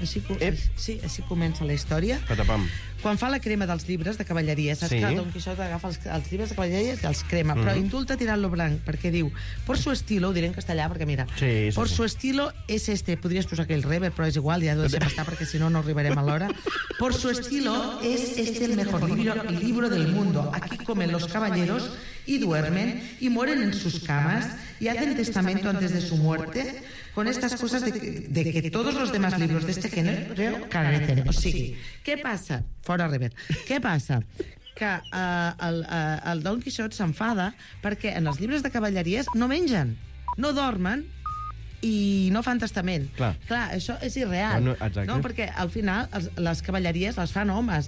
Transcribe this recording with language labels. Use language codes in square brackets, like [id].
[ca] Així comença la història. Patapam. Quan fa la crema dels llibres de cavalleria, saps que Don Quixot agafa els llibres de cavalleria i els crema, però indulta Tirant lo Blanc, perquè diu, [es] por su estilo, [ca] ho diré en castellà, perquè mira, [es] por su estilo es este, [ca] podries posar aquell rever, però és igual, ja ho deixem estar, perquè si no, no arribarem a l'hora. [es] Por su estilo es este el mejor libro del mundo. Aquí comen los caballeros y duermen y mueren en sus camas y hacen testamento antes de su muerte con estas cosas de que todos los demás libros de este género carecen. [ca] O sigui, què passa? Fora rever. Què passa? Que el Don Quixot s'enfada perquè en els llibres de cavalleries no mengen, no dormen i no fan testament. Clar, això és irreal. No, perquè al final les cavalleries les fan homes.